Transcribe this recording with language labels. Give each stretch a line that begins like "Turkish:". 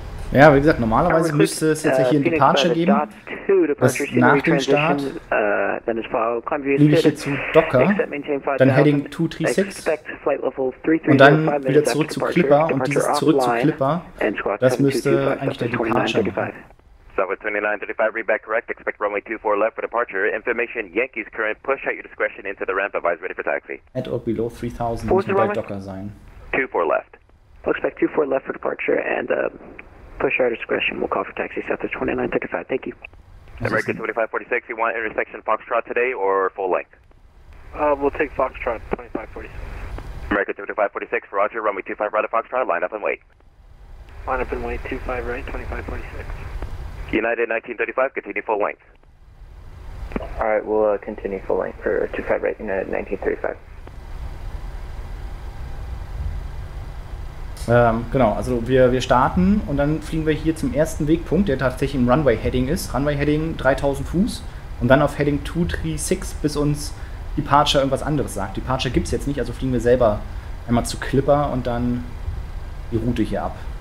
German: Ja, wie gesagt, normalerweise müsste es jetzt hier ein Departure geben. Das nach dem Start fliege ich hier zu Docker, dann Heading 236 und dann wieder zurück zu Clipper und dieses zurück zu Clipper. Das müsste eigentlich der Departure geben.
English: Southwest 2935, read back correct. Expect runway 24 left for departure. Information, Yankees current. Push at your discretion into the ramp. Advise ready for taxi. At or below 3000,
German: muss bei Docker sein.
English: 24 left. We'll expect 24 left for departure and push at your discretion. We'll call for taxi. Southwest 2935, thank you. American 2546, you want intersection Foxtrot today or full length? We'll take Foxtrot 2546. American 2546, roger. Runway 25 right of Foxtrot, line up and wait. Line up and wait, 25 right, 2546. United 1935, continue full length. Alright, we'll continue full length for 25 right, United 1935.
German: Genau, also wir starten und dann fliegen wir hier zum ersten Wegpunkt, der tatsächlich im Runway-Heading ist. Runway-Heading 3000 Fuß und dann auf Heading 236, bis uns Departure irgendwas anderes sagt. Departure gibt es jetzt nicht, also fliegen wir selber einmal zu Clipper und dann die Route hier ab.